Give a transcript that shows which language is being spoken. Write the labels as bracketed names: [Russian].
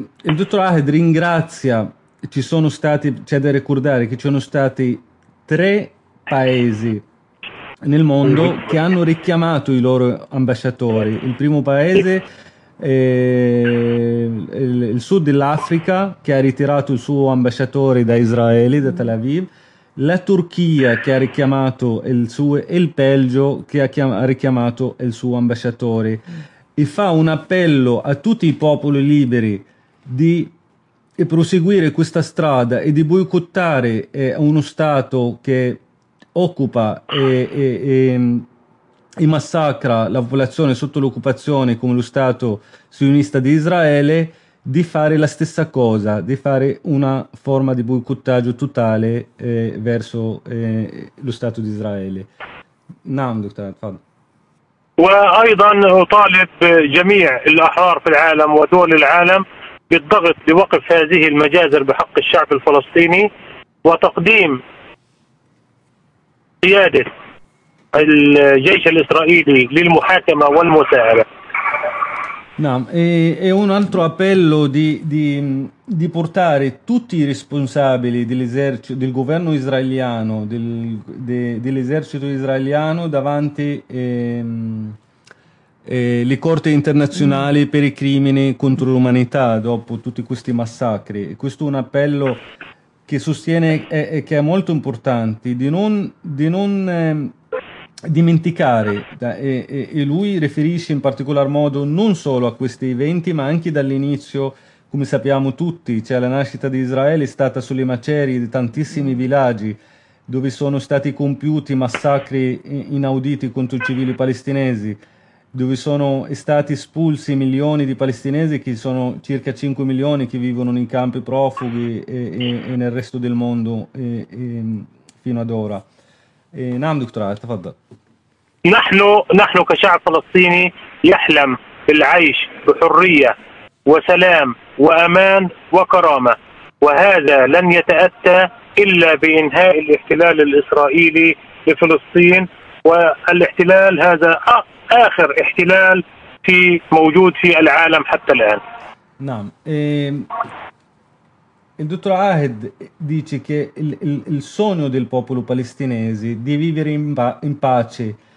[Arabic] الدكتور عاهد [Italian] ringrazia. Ci sono stati, c'è da ricordare che ci sono stati tre paesi nel mondo che hanno richiamato i loro ambasciatori. Il primo paese è il sud dell'Africa, che ha ritirato il suo ambasciatore da Israele, da Tel Aviv, la Turchia che ha richiamato il suo, e il Belgio che ha richiamato il suo ambasciatore, e fa un appello a tutti i popoli liberi di proseguire questa strada e di boicottare uno Stato che occupa e massacra la popolazione sotto l'occupazione come lo Stato sionista di Israele, di fare la stessa cosa, di fare una forma di boicottaggio totale verso lo Stato di Israele. [Arabic] نعم دكتور تفضل. وأيضا أطالب جميع الأحرار في العالم ودول العالم بالضغط لوقف هذه المجازر بحق الشعب الفلسطيني وتقديم قيادة الجيش الإسرائيلي للمحاكمة والمساءلة. نعم [Italian] e un altro appello di portare tutti i responsabili dell'esercito, del governo israeliano, dell'esercito israeliano davanti le corti internazionali per i crimini contro l'umanità dopo tutti questi massacri. Questo è un appello che sostiene e che è molto importante di non dimenticare, e lui riferisce in particolar modo non solo a questi eventi, ma anche dall'inizio, come sappiamo tutti, cioè la nascita di Israele è stata sulle macerie di tantissimi villaggi dove sono stati compiuti massacri inauditi contro i civili palestinesi, dove sono stati espulsi milioni di palestinesi, che sono circa 5 milioni che vivono nei campi profughi e nel resto del mondo fino ad ora. [Arabic] نعم دكتور علي تفضل. نحن كشعب فلسطيني يحلم بالعيش بحرية وسلام وأمان وكرامة، وهذا لن يتأتى إلا بإنهاء الاحتلال الإسرائيلي لفلسطين، والاحتلال هذا آخر احتلال في موجود في العالم حتى الآن. نعم [Italian] il dottor Ahed dice che il sogno del popolo palestinese di vivere in pace